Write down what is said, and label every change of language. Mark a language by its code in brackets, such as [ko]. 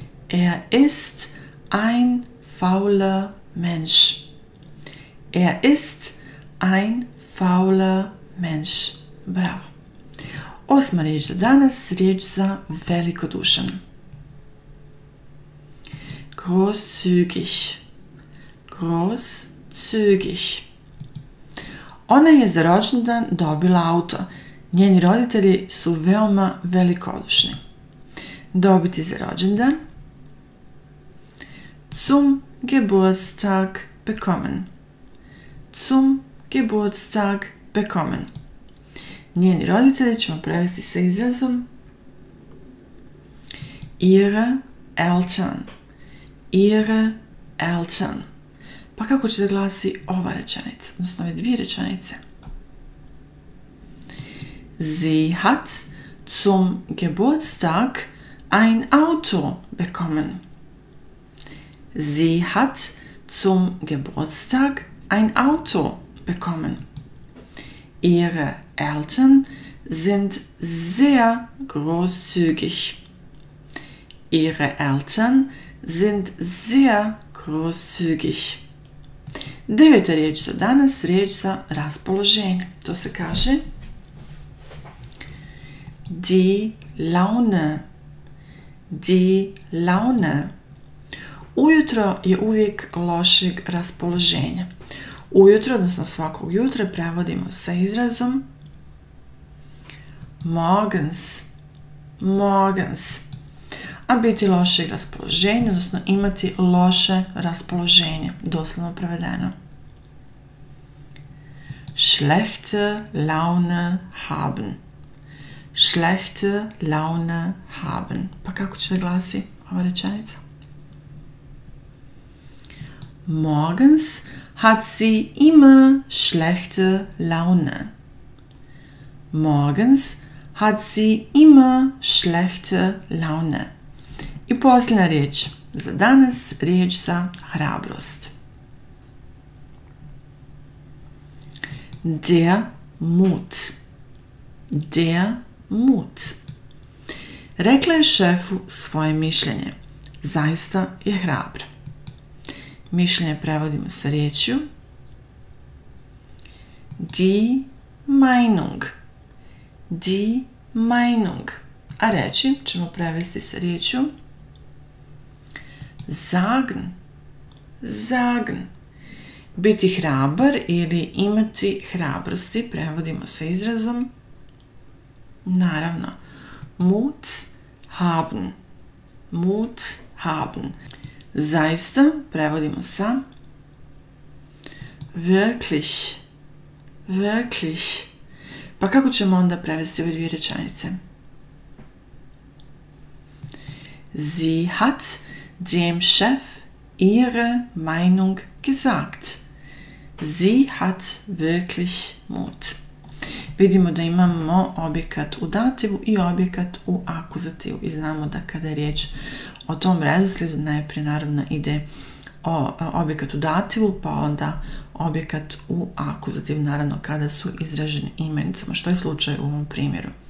[de] Er ist ein fauler Mensch. Er ist ein fauler Mensch. Bravo. [bs] Osma riječ za danas, riječ za velikodušan. [de] Großzügig. Großzügig. [bs] Ona je za rođendan dobila auto. Njeni roditelji su veoma velikodušni. Dobiti za rođendan. [de] Zum Geburtstag bekommen. Zum Geburtstag bekommen. [bs] Njeni roditelji ćemo prevesti sa izrazom [de] Ihre Eltern. Ihre Eltern. [bs] Pa kako će da glasi ova rečenica, odnosno ove dvije rečenice? [de] Sie hat zum Geburtstag ein Auto bekommen. Sie hat zum Geburtstag ein Auto bekommen. Ihre Eltern sind sehr großzügig. Ihre Eltern sind sehr großzügig. [bs] Deveta riječ za danas, riječ za raspoloženje. To se kaže die Laune. Die Laune. Ujutro je uvijek lošeg raspoloženja. Ujutro, odnosno svakog jutra, prevodimo sa izrazom morgens. Morgens. A biti lošeg raspoloženja, odnosno imati loše raspoloženje, doslovno prevedeno. [de] Schlechte Laune haben. Schlechte Laune haben. [bs] Pa kako će da glasi ova rečenica? [de] Morgens hat sie immer schlechte Laune. Morgens hat sie immer schlechte Laune. [bs] I posljedna riječ za danas, riječ za hrabrost. [de] Der Mut. Der Mut. [bs] Rekla je šefu svoje mišljenje. Zaista je hrabra. Mišljenje prevodimo sa riječju Die Meinung. Die Meinung. A reči ćemo prevesti sa riječju Sagen. Sagen. Biti hrabar ili imati hrabrosti prevodimo sa izrazom naravno [de] Mut haben. Mut haben. [bs] Zaista prevodimo sa wirklich. Wirklich. Pa kako ćemo onda prevesti ove dvije rečenice? [de] Sie hat dem Chef ihre Meinung gesagt. Sie hat wirklich Mut. [bs] Vidimo da imamo objekat u dativu i objekat u akuzativu i znamo da kada je riječ o tom redoslijedu, najprije naravno ide objekat u dativu, pa onda objekat u akuzativu, naravno kada su izraženi imenicama, što je slučaj u ovom primjeru.